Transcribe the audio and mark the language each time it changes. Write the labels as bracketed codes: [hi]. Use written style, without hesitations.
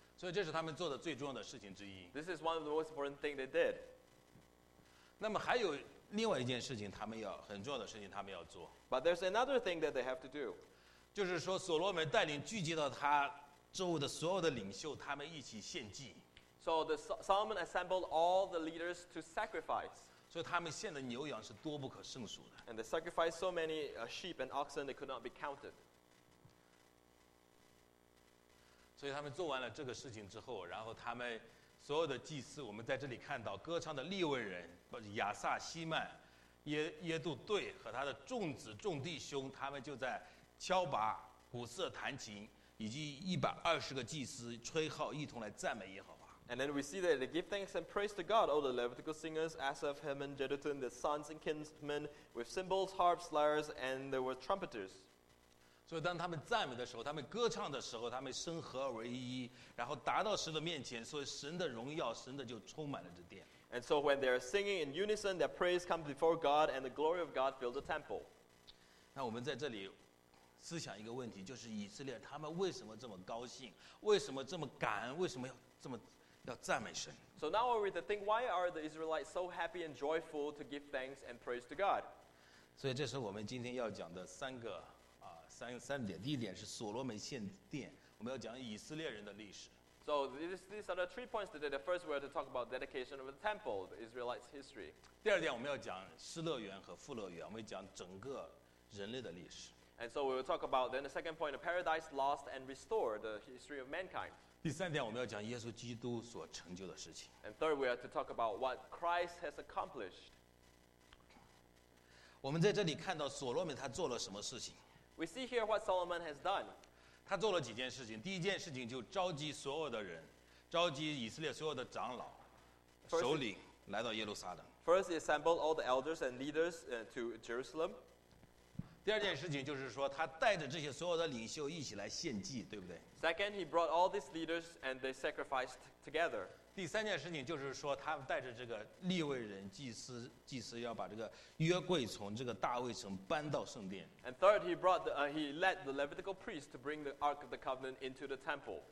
[zh] 所以这是他们做的最重要的事情之一 [en] This is one of the most important things they did. [zh] 那么还有另外一件事情他们要很重要的事情他们要做 [en] But there's another thing that they have to do. [zh] 就是说所罗门带领聚集到他周围的所有的领袖，他们一起献祭。 [en] So the Solomon assembled all the leaders to sacrifice. [zh] 所以他们献的牛羊是多不可胜数的。 [en] And they sacrificed so many sheep and oxen they could not be counted. [zh] 所以他们做完了这个事情之后，然后他们所有的祭司，我们在这里看到歌唱的利未人，亚萨、西曼、耶杜对和他的众子、众弟兄，他们就在敲拔、鼓瑟、弹琴。以及一百二十个祭司吹号，一同来赞美耶和华。 [en] And then we see that they give thanks and praise to God, all the Levitical singers, Asaph, Heman, Jeduthun, the sons and kinsmen, with cymbals, harps, lyres, and there were trumpeters. [zh] 所以当他们赞美的时候，他们歌唱的时候，他们身合而为一，然后达到神的面前，所以神的荣耀，神的就充满了这殿。 [en] And so when they are singing in unison, their praise comes before God, and the glory of God fills the temple. [zh] 那我们在这里。思想一个问题，就是以色列他们为什么这么高兴？为什么这么感恩？为什么要这么要赞美神 [en] ？So now we read the thing. Why are the Israelites so happy and joyful to give thanks and praise to God？ [zh] 所以这是我们今天要讲的三个三点。第一点是所罗门献殿，我们要讲以色列人的历史。 [en] So these are the three points today. The first we are to talk about dedication of the temple, the Israelites' history. [zh] 第二点我们要讲失乐园和富乐园，我们讲整个人类的历史。 [en] And so we will talk about then the second point, the paradise lost and restored, the history of mankind. [zh] 第三点，我们要讲耶稣基督所成就的事情。 [en] And third, we are to talk about what Christ has accomplished. [zh] 我们在这里看到所罗门他做了什么事情。 [en] We see here what Solomon has done. [zh] 他做了几件事情。第一件事情就召集所有的人，召集以色列所有的长老、首领来到耶路撒冷。 [en] First, he assembled all the elders and leaders to Jerusalem. [zh] 第二件事情就是说，他带着这些所有的领袖一起来献祭，对不对 [en] ？Second, he brought all these leaders and they sacrificed together. [zh] 第三件事情就是说，他带着这个利未人祭司要把这个约柜从这个大卫城搬到圣殿。 [en] And third, he led the Levitical priests to bring the Ark of the Covenant into the temple.